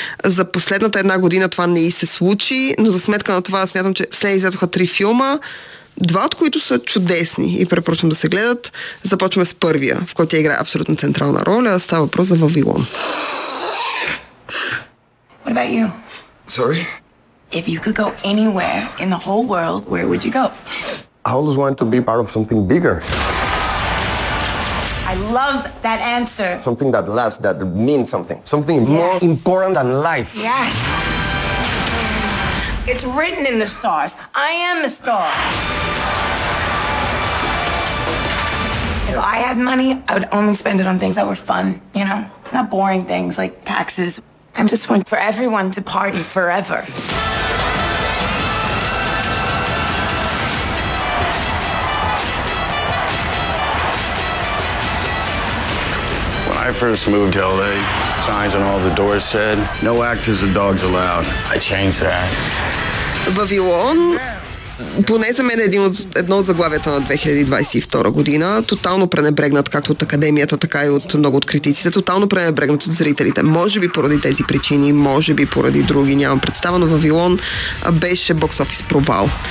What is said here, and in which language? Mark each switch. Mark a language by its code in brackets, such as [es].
[bg] За последната една година това не и се случи, но за сметка на това смятам, че след излязоха три филма, два от които са чудесни и препоръчвам да се гледат. Започваме с първия, в който тя играе абсолютно централна роля. Става въпрос за Вавилон. [en] What about you? Sorry? If you could go anywhere in the whole world, where would you go? I always wanted to be part of something bigger. I love that answer. Something that lasts, that means something. Something yes. More important than life. Yes. It's written in the stars. I am a star. If I had money, I would only spend it on things that were fun, you know? Not boring things like taxes. I'm just one for everyone to party forever. When I first moved to LA, signs on all the doors said, no actors or dogs allowed. I changed that. [bg] Вавилон поне за мен е едно от заглавията на 2022 година. Тотално пренебрегнат както от академията, така и от много от критиците. Тотално пренебрегнат от зрителите. Може би поради тези причини, може би поради други, нямам представа, но Вавилон беше бокс офис провал.